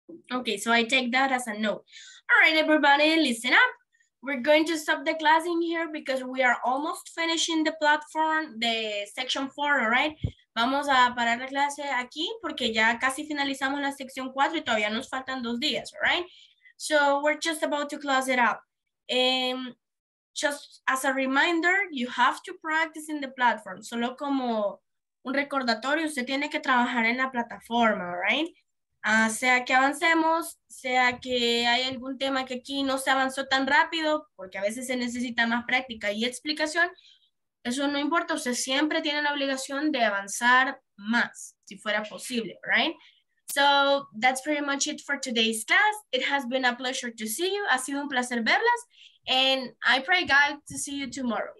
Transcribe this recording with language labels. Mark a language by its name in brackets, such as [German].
[English] Okay, so I take that as a no. All right, everybody, listen up. We're going to stop the class in here because we are almost finishing the platform, the section 4, all right? [Spanish] Vamos a parar la clase aquí porque ya casi finalizamos la sección 4 y todavía nos faltan 2 días, all right? [English] So we're just about to close it up. Just as a reminder, you have to practice in the platform. [Spanish] Solo como un recordatorio, usted tiene que trabajar en la plataforma, right? Sea que avancemos, sea que hay algún tema que aquí no se avanzó tan rápido, porque a veces se necesita más práctica y explicación, eso no importa, usted siempre tiene la obligación de avanzar más, si fuera posible, right? [English] So that's pretty much it for today's class. It has been a pleasure to see you. [Spanish] Ha sido un placer verlas. [English] And I pray God to see you tomorrow.